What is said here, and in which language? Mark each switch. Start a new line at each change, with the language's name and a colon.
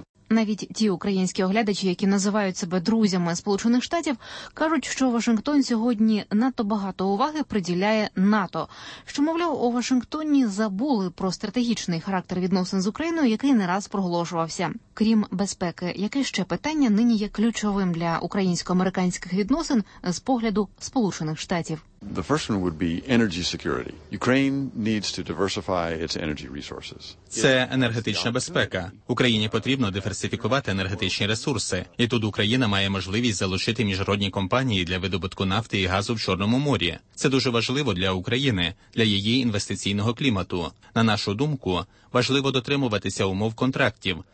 Ukrainian: Навіть ті українські оглядачі, які називають себе друзями Сполучених Штатів, кажуть, що Вашингтон сьогодні надто багато уваги приділяє НАТО. Що, мовляв, у Вашингтоні забули про стратегічний характер відносин з Україною, який не раз проголошувався. Крім безпеки, яке ще питання нині є ключовим для українсько-американських відносин з погляду Сполучених Штатів?
English: The first one would be energy security. Ukraine needs to diversify its energy resources.
Ukrainian: Це енергетична безпека. Україні потрібно диверсифікувати енергетичні ресурси. І тут Україна має можливість залучити міжнародні компанії для видобутку нафти і газу в Чорному морі. Це дуже важливо для України, для її інвестиційного клімату. На нашу думку, важливо дотримуватися умов контрактів.